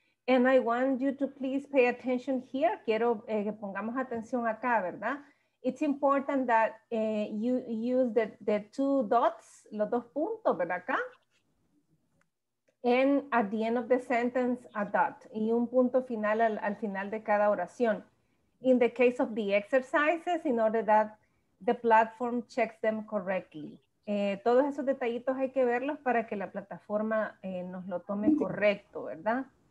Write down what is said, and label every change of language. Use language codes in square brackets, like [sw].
[en] And I want you to please pay attention here. [es] Quiero que pongamos atención acá, ¿verdad? [en] It's important that you use the two dots, [es] los dos puntos, ¿verdad? Acá. [en] And at the end of the sentence, a dot. [es] Y un punto final al final de cada oración. [en] In the case of the exercises, in order that the platform checks them correctly. [es] Todos esos detallitos hay que verlos para que la plataforma nos lo tome correcto, ¿verdad?